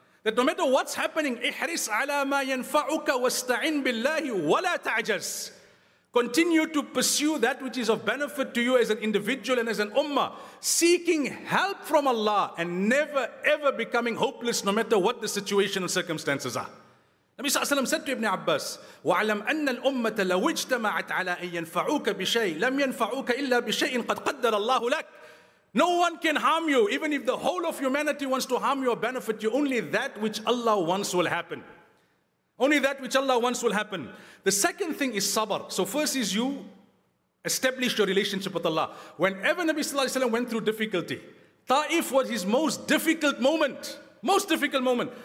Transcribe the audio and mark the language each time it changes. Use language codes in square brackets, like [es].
[en] That no matter what's happening, [ar] ihris ala ma yanfa'uka wasta'in billahi wa la ta'jaz. [en] Continue to pursue that which is of benefit to you as an individual and as an ummah, seeking help from Allah and never ever becoming hopeless no matter what the situation and circumstances are. Nabi Sallallahu said to Ibn Abbas, [ar] وَعْلَمْ أَنَّ الْأُمَّةَ لَوِجْتَمَعَتْ عَلَىٰ أَنْ يَنْفَعُوكَ بِشَيْءٍ لَمْ يَنْفَعُوكَ إِلَّا بِشَيْءٍ قَدْ قَدَّرَ اللَّهُ لَكَ. [en] No one can harm you, even if the whole of humanity wants to harm you or benefit you. Only that which Allah wants will happen. Only that which Allah wants will happen. The second thing is sabr. So first is you establish your relationship with Allah. Whenever Nabi Sallallahu Alaihi Wasallam went through difficulty, Ta'if was his most difficult moment. Most difficult moment.